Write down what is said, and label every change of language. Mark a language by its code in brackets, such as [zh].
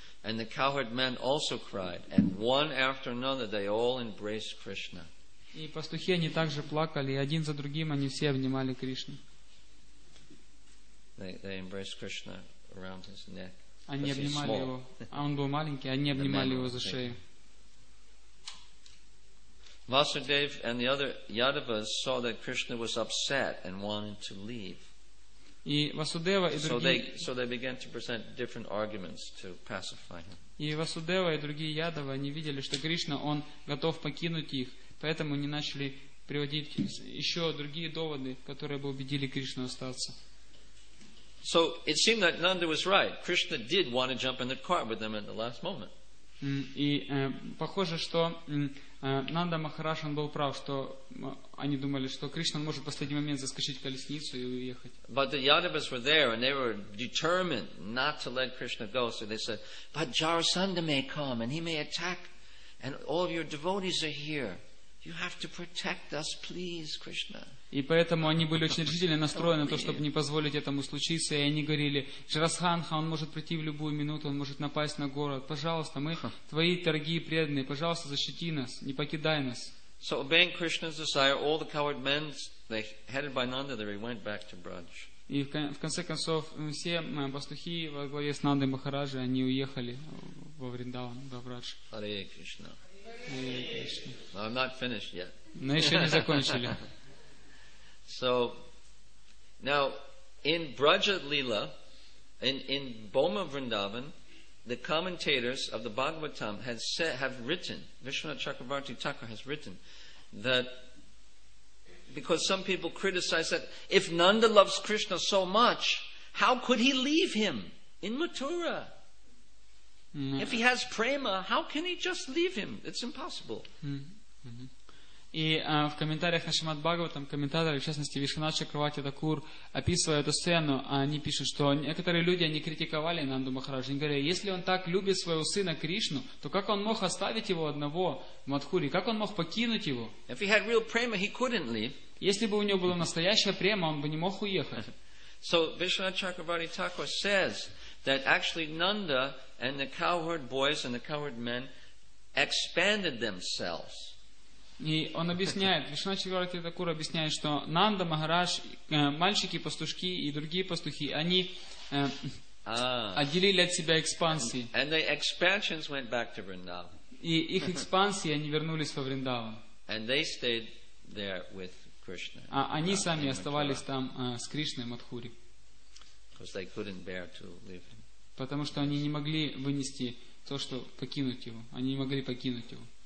[en] And the cowherd men also cried, and one after another they all embraced Krishna. [ru] И пастухи, они также плакали, и один за другим они все обнимали Кришну. [en] They embraced Krishna around his neck. [ru] Они обнимали его, а он был маленький, они обнимали его за шею. [en] Vasudev and the other Yadavas saw that Krishna was upset and wanted to leave. [ru] И Васудева и другие... [en] So they began to present different arguments to pacify him. [ru] И Васудева и другие Ядавы, они видели, что Кришна, он готов покинуть их. Поэтому они начали приводить еще другие доводы, которые бы убедили Кришну остаться. [en] So it seemed that Nanda was right. Krishna did want to jump in the car with them at the last moment. [ru] И похоже, что Нанда Махарадж, он был прав, что они думали, что Кришна может в последний момент заскочить в колесницу и уехать. [en] But the Yadavas were there and they were determined not to let Krishna go. So they said, but Jarasandha may come and he may attack and all of your devotees are here. You have to protect us, please, Krishna. [ru] И поэтому они были очень решительно настроены на то, чтобы не позволить этому случиться. И они говорили, Джарасандха, он может прийти в любую минуту, он может напасть на город. Пожалуйста, мы твои дорогие преданные, пожалуйста, защити нас, не покидай нас. [en] So obeying Krishna's desire, all the coward men, they headed by Nanda, they went back to Braj. [ru] И в конце концов, все пастухи во главе с Нандой Махараджи, они уехали во Вриндаван, во Брадж. [en] Hare Krishna. Well, I'm not finished yet. [ru] Но еще не закончили. [en] So, now, in Braja Lila, in Boma Vrindavan, the commentators of the Bhagavatam have written, Vishwanath Chakravarti Thakur has written, that because some people criticize that if Nanda loves Krishna so much, how could he leave him in Mathura? If he has prema, how can he just leave him? It's impossible. [ru] И в комментариях на Шримад Бхагаватам комментаторы, в частности Вишванат Чакравати Такур, описывая эту сцену, они пишут, что некоторые люди они критиковали Нанду Махараджа. Они говорят, если он так любит своего сына Кришну, то как он мог оставить его одного в Мадхуре? Как он мог покинуть его? [en] If he had real prema, he couldn't leave. [ru] Если бы у него была настоящая према, он бы не мог уехать. [en] So Vishwanath Chakravarti Thakur says that actually Nanda and the cowherd boys and the cowherd men expanded themselves. [ru] И он объясняет, Вишна Чакравати Такур объясняет, что Нанда Махарадж, мальчики, пастушки и другие пастухи, они отделили от себя экспансии. [en] And the expansions went back to Vrindavan. [ru] И их экспансии, они вернулись во Вриндаван. [en] And they stayed there with Krishna. [ru] А они сами оставались там с Кришной в Мадхуре. [en] Because they couldn't bear to leave him. [ru] Потому что они не могли вынести то, что покинуть его. Они не могли покинуть его.